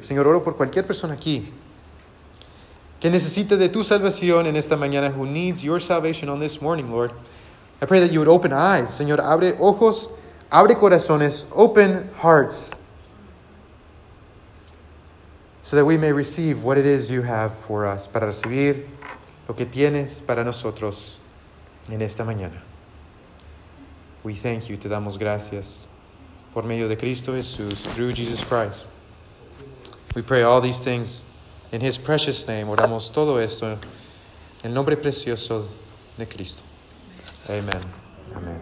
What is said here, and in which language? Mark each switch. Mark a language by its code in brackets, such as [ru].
[es] Señor, oro por cualquier persona aquí. Que necesite de tu salvación en esta mañana, [en] who needs your salvation on this morning, Lord. I pray that you would open eyes. [es] Señor, abre ojos, abre corazones, [en] open hearts. So that we may receive what it is you have for us. [es] Para recibir lo que tienes para nosotros en esta mañana. [en] We thank you. [es] Te damos gracias. Por medio de Cristo Jesús. [en] Through Jesus Christ. We pray all these things in His precious name. [es] Oramos todo esto en el nombre precioso de Cristo. Amen. Amen.